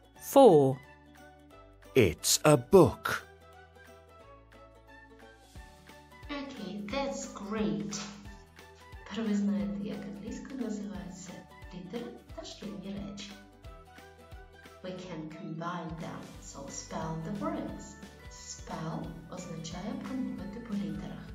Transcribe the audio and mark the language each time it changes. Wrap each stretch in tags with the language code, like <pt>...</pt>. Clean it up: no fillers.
<en>4. It's a book. Okay, that's great.</en> <uk>Тепер ви знаєте, як англійською називаються літери та шкільні речі.</uk> <en>We can combine them, so spell the words.</en> <uk>Spell означає промовити по літерах.</uk>